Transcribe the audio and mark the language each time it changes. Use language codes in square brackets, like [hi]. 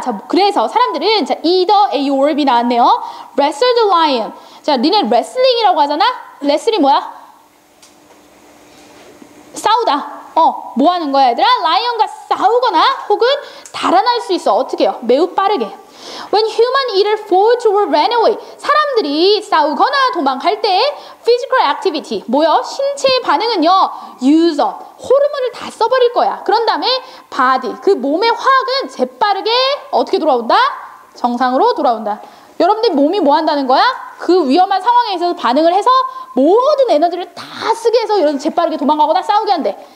[ko] 자, 그래서 사람들은 자, [en] either A or B [ko] 나왔네요. [en] wrestle the lion. [ko] 자, 니네 wrestling이라고 하잖아? wrestling 뭐야? 싸우다. 뭐 하는 거야 얘들아? lion과 싸우거나 혹은 달아날 수 있어. 어떻게 해요? 매우 빠르게. [en] When human either fought or ran away, [ko] 사람들이 싸우거나 도망갈 때 [en] physical activity, [ko] 뭐요? 신체의 반응은요, use up, 호르몬을 다 써버릴 거야. 그런 다음에 body, 그 몸의 화학은 재빠르게 어떻게 돌아온다? 정상으로 돌아온다. 여러분들 몸이 뭐 한다는 거야? 그 위험한 상황에 있어서 반응을 해서 모든 에너지를 다 쓰게 해서 여러분 재빠르게 도망가거나 싸우게 한대.